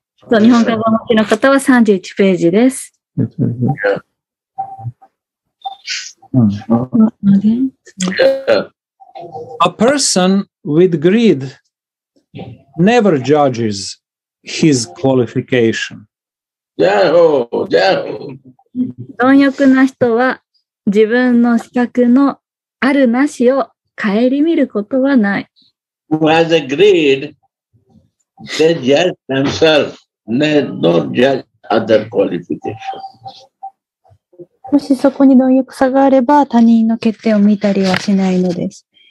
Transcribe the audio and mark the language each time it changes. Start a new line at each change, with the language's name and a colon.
Japanese: そう、日本語版の方は31ページです。
English: A person with greed never judges his qualification. Yeah, oh, yeah.
Japanese: 貪欲な人は自分の資格のあるなしを顧みることはない。
English: Who has a greed, they judge themselves, they don't judge other qualifications.
Japanese: もしそこに貪欲さがあれば他人の欠点を見たりはしないのです。